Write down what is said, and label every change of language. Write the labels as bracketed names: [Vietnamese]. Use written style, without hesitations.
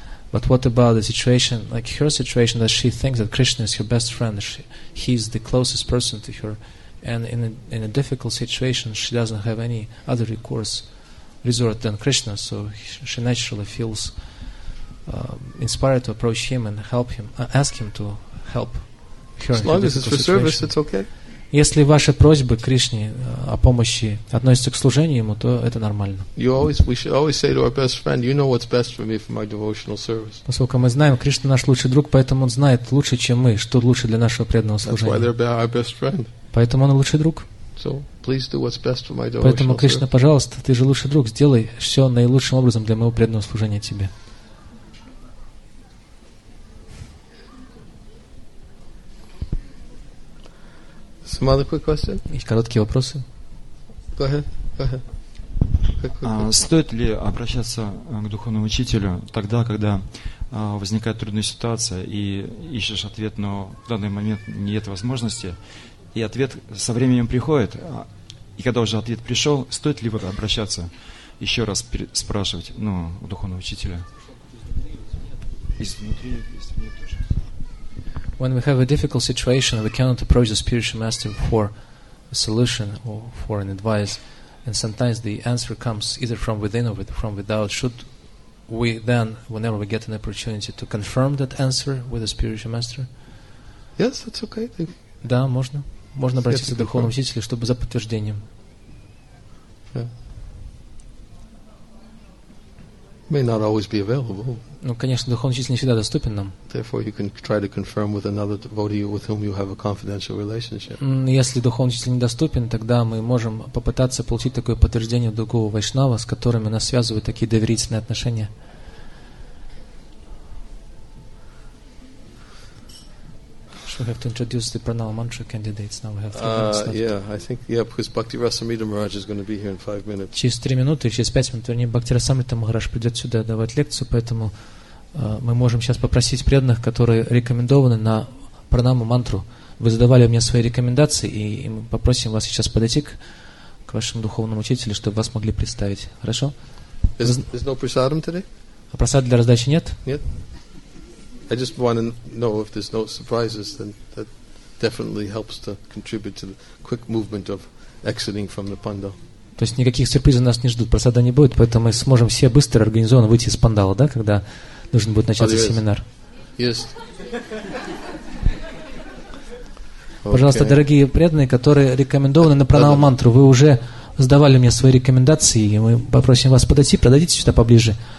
[English] But what about the situation, like her situation, that she thinks that Krishna is her best friend, he's the closest person to her, and in a difficult situation, she doesn't have any other resort than Krishna, so she naturally feels inspired to approach him and help him, ask him to help her. As long as it's for service, it's okay. [Russian] Если ваши просьбы к Кришне о помощи относятся к служению ему, то это нормально. Поскольку мы знаем, Кришна наш лучший друг, поэтому он знает лучше, чем мы, что лучше для нашего преданного служения. Поэтому он лучший друг. Поэтому, Кришна, пожалуйста, ты же лучший друг, сделай все наилучшим образом для моего преданного служения тебе. [English] Some other quick question? [Russian] И короткие вопросы. [English] Go ahead. [Russian] Стоит ли обращаться к духовному учителю тогда, когда возникает трудная ситуация и ищешь ответ, но в данный момент нет возможности, и ответ со временем приходит, и когда уже ответ пришел, стоит ли вот обращаться еще раз спрашивать, ну, у духовного учителя? Изнутри, если нет, тоже. [English] When we have a difficult situation, we cannot approach the spiritual master for a solution or for an advice. And sometimes the answer comes either from within or from without. Should we then, whenever we get an opportunity to confirm that answer with the spiritual master. Yes, that's okay. [Russian] Да, можно. Можно обратиться к духовному учителю, чтобы за подтверждением. Yeah. [English] May not always be available. [Russian] Ну, конечно, духовный учитель не всегда доступен нам. [English] Therefore, you can try to confirm with another devotee with whom you have a confidential relationship. [Russian] Если духовный учитель недоступен, тогда мы можем попытаться получить такое подтверждение другого вайшнава, с которым нас связывают такие доверительные отношения. [English] We have to introduce the Pranava Mantra candidates now. We have 3 minutes left. Because Bhakti Rasamrita Maharaj is going to be here in 5 minutes. [Russian] Через 3 минуты, через 5 минут, вернее, Бхакти Расамрита Махарадж придет сюда давать лекцию, поэтому мы можем сейчас попросить преданных, которые рекомендованы на Пранаму Мантру. Вы задавали мне свои рекомендации, и мы попросим вас сейчас подойти к вашему духовному учителю, чтобы вас могли представить. Хорошо? [English] Is no prasadam today? [Russian] А прасад для раздачи нет? Нет. [English] I just want to know if there's no surprises, then that definitely helps to contribute to the quick movement of exiting from the pandal. [Russian] То есть никаких сюрпризов нас не ждут, просада не будет, поэтому мы сможем все быстро организованно выйти из пандала, да, когда нужно будет начаться семинар. [English] Yes. [Russian] Пожалуйста, дорогие преданные, которые рекомендованы на пранаву мантру, вы уже сдавали мне свои рекомендации, и мы попросим вас подойти, подойдите сюда поближе.